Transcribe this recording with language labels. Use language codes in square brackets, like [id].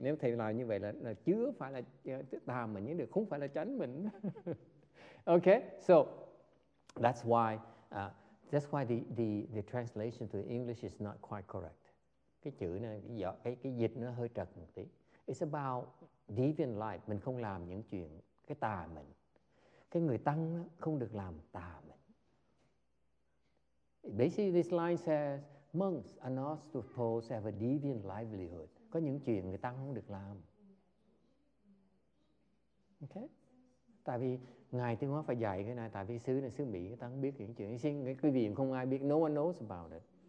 [vi] Nếu thầy làm như vậy là chưa phải là tà mình, nhưng được không phải là chánh mình. [en] Okay, so that's why the translation to English is not quite correct. [vi] Cái chữ này, cái dịch nó hơi trật một tí. [en] It's about deviant life. [vi] Mình không làm những chuyện cái tà mình. Cái người tăng không được làm tà mình. [en] Basically, this line says, monks are not supposed to have a deviant livelihood. [vi] Có những chuyện người tăng không được làm. Okay? Tại vì Ngài Tiêu Hóa phải dạy cái này, tại vì xứ này, xứ Mỹ, người tăng biết những chuyện. Xin cái quý vị không ai biết, [en] no one knows about it.